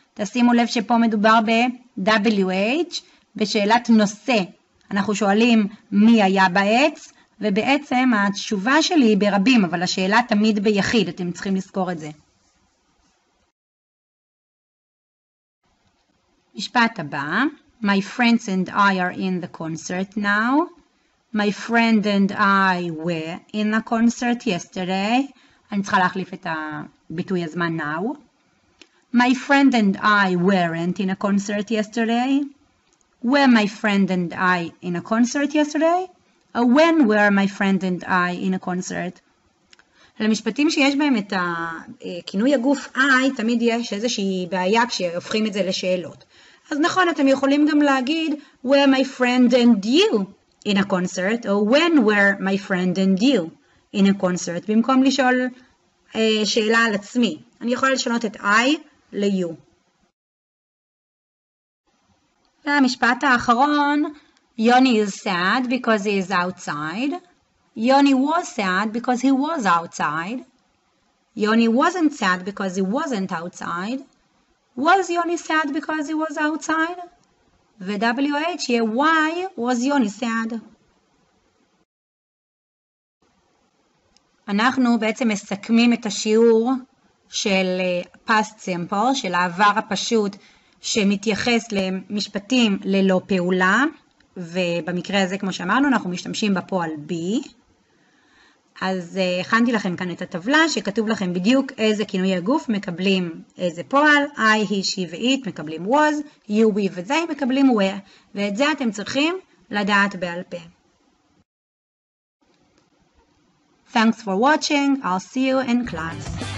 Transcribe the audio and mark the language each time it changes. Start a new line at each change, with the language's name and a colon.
Hebrew: תשימו לב שפה מדובר ב-WH, בשאלת נושא. אנחנו שואלים מי היה בעץ, ובעצם התשובה שלי היא ברבים, אבל השאלה תמיד ביחיד, אתם צריכים לזכור את זה. משפט הבא,
English: my friends and I are in the concert now. My friend and I were in the concert yesterday.
Hebrew: אני צריכה להחליף את הביטוי הזמן now.
English: My friend and I weren't in a concert yesterday. Were my friend and I in a concert yesterday? Or when were my friend and I in a concert?
Hebrew: למשפטים שיש בהם את הכינוי הגוף I, תמיד יש איזושהי בעיה כשהופכים את זה לשאלות. אז נכון, אתם יכולים גם להגיד,
English: were my friend and you in a concert, or when were my friend and you in a concert,
Hebrew: במקום לשאול שאלה על עצמי. אני יכולה לשנות את I ל-you.
English: והמשפט האחרון, Yoni is sad because he is outside. Yoni was sad because he was outside. Yoni wasn't sad because he wasn't outside. Was Yoni sad because he was outside?
Hebrew: ו-WH יהיה
English: Why was Yoni sad?
Hebrew: אנחנו בעצם מסכמים את השיעור של past simple, של העבר הפשוט שמתייחס למשפטים ללא פעולה, ובמקרה הזה כמו שאמרנו אנחנו משתמשים בפועל B. אז הכנתי לכם כאן את הטבלה שכתוב לכם בדיוק איזה כינוי הגוף מקבלים איזה פועל, I, he, she ו-it מקבלים was, you, we ו-they מקבלים where, ואת זה אתם צריכים לדעת בעל פה.
English: Thanks for watching. I'll see you in class.